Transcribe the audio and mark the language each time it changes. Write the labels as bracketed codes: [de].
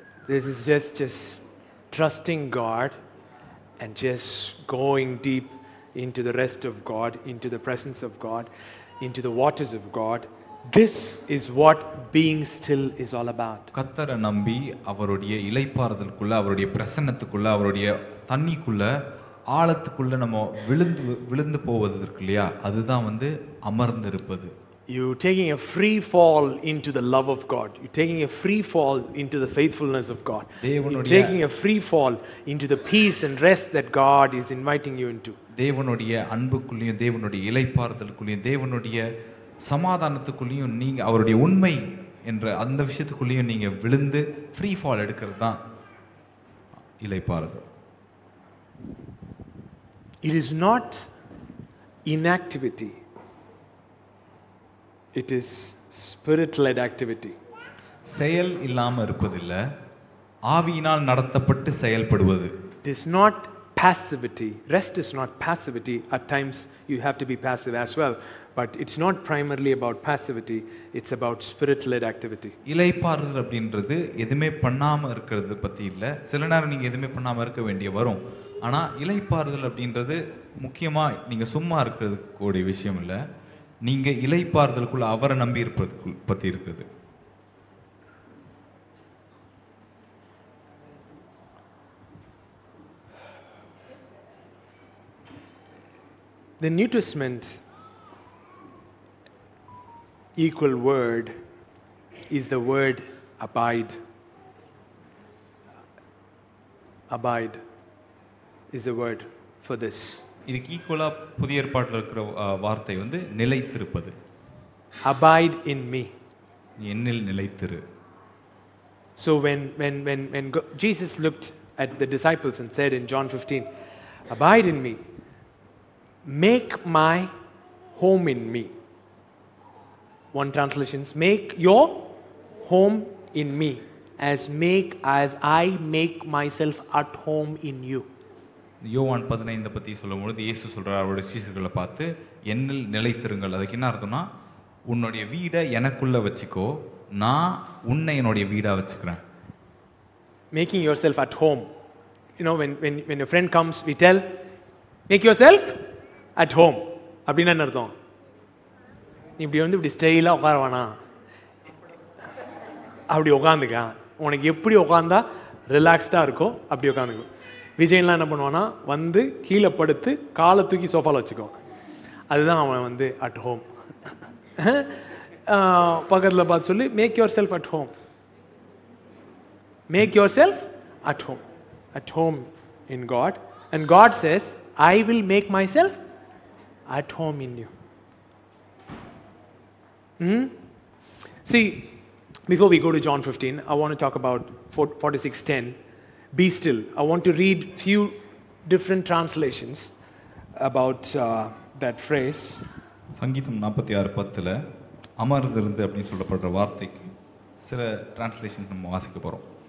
[en] This is just trusting God and just going deep into the rest of God, into the presence of God, into the waters of God. This is what being still is all about. [ta] கத்தர நம்பி அவருடைய இளைப்பாறுதலுக்குள்ள, அவருடைய பிரசன்னத்துக்குள்ள, அவருடைய தண்ணிக்குள்ள, ஆழத்துக்குள்ள நம்ம விழுந்து போவது இருக்கு இல்லையா, அதுதான் வந்து அமர்ந்திருப்பது. [en] You taking a free fall into the love of God. You taking a free fall into the faithfulness of God. [ta] தேவனுடைய [en] taking a free fall into the peace and rest that God is inviting you into. [ta] தேவனுடைய அன்புக்குள்ளேயும், தேவனுடைய இளைப்பாறுதலுக்குள்ளேயும், தேவனுடைய சமாதானத்துக்குள்ளேயும், நீங்க அவருடைய உண்மை என்ற அந்த விஷயத்துக்குள்ளேயும் நீங்க விழுந்து ஃப்ரீ ஃபால் எடுக்கிறது தான் இளைப்பாறுதல். [en] It is not inactivity. It is spirit-led activity. [ta] செயல் இல்லாம இருப்பதில்ல, ஆவியினால் நடத்தப்பட்டு செயல்படுவது. [en] It is not passivity. Rest is not passivity. At times you have to be passive as well. But it's not primarily about passivity, it's about spirit led activity. [ta] இலை பாறுதல் அப்படின்றது எதுமே பண்ணாம இருக்கிறது பத்தி இல்ல. சில நேரம் நீங்க எதுமே பண்ணாம இருக்க வேண்டிய வரும். ஆனா இலை பாறுதல் அப்படின்றது முக்கியமா நீங்க சும்மா இருக்கிறது கூடிய விஷயம் இல்ல, நீங்க இலை பாறுதலுக்குள்ள அவரை நம்பி இருப்பது பத்தி இருக்குது. [en] The New Testament equal word is the word abide. Abide is the word for this. [ta] இதுக்கு ஈக்குவலா புதிய ஏற்பாட்டில் இருக்கிற வார்த்தை வந்து நிலைத்திருப்பது. [en] Abide in me. [ta] என்னில் நிலைத்திரு. [en] So when Jesus looked at the disciples and said in John 15, abide in me, make my home in me. One translation is make your home in me, as I make myself at home in you. [ta] யோவான் 15 பத்தி சொல்லும்பொழுது இயேசு சொல்றார், அவருடைய சீஷர்களை பார்த்து என்னில் நிலைத்திருங்கள். அதுக்கு என்ன அர்த்தம்னா, உன்னுடைய வீடை எனக்குள்ள வச்சுக்கோ, நான் உன்னை என்னுடைய வீடா வச்சுக்கிறேன். [en] Making yourself at home. You know, when your friend comes, we tell, make yourself at home. [ta] அப்படின்னு என்ன அர்த்தம்? இப்படி வந்து இப்படி ஸ்டைலா உட்காருவானா, அப்படி உட்காந்துக்கான். உனக்கு எப்படி உட்காந்தா ரிலாக்ஸ்டா இருக்கோ அப்படி உட்காந்துக்கும். விஜயன்லாம் என்ன பண்ணுவானா, வந்து கீழே படுத்து காலை தூக்கி சோஃபாவில் வச்சுக்கோ. அதுதான் அவன் வந்து [en] At home. [ta] பக்கத்தில் பார்த்து சொல்லி, [en] Make yourself at home, make yourself at home, at home in God. And God says, I will make myself at home in you. See, before we go to John 15, I want to talk about 46:10. Be still. I want to read few different translations about that phrase. [ta] சங்கீதம் 46:10 அமர்ந்திருந்து அப்படின்னு சொல்லப்படுற வார்த்தைக்கு சில translation நம்ம வாசிக்க போறோம்.